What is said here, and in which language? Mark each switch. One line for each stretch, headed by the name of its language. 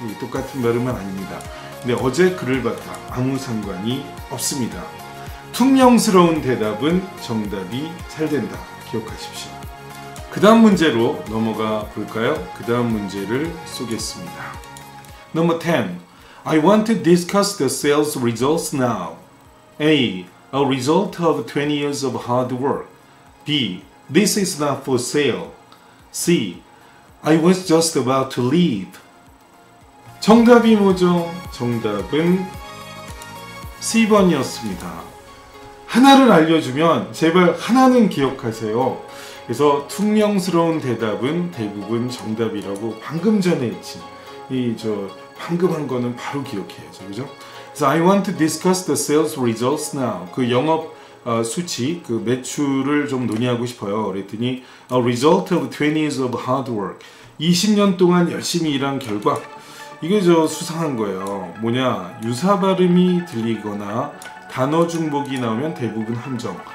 Korean: 똑같은 발음은 아닙니다. 근데 어제 그를 봤다. 아무 상관이 없습니다. 퉁명스러운 대답은 정답이 잘 된다. 기억하십시오. 그 다음 문제로 넘어가 볼까요? 그 다음 문제를 쏘겠습니다.
English: Number 10. I want to discuss the sales results now. A. A result of 20 years of hard work. B. This is not for sale. C. I was just about to leave.
Korean: 정답이 뭐죠? 정답은 C번이었습니다. 하나를 알려주면 제발 하나는 기억하세요. 그래서 퉁명스러운 대답은 대부분 정답이라고 방금 전에 했지. 방금 한 거는 바로 기억해야죠. 그죠?
English: So I want to discuss the sales results now.
Korean: 그 영업 수치, 그 매출을 좀 논의하고 싶어요. 그랬더니
English: A result of 20 years of hard work.
Korean: 20년 동안 열심히 일한 결과. 이게 저 수상한 거예요. 뭐냐? 유사 발음이 들리거나 단어 중복이 나오면 대부분 함정.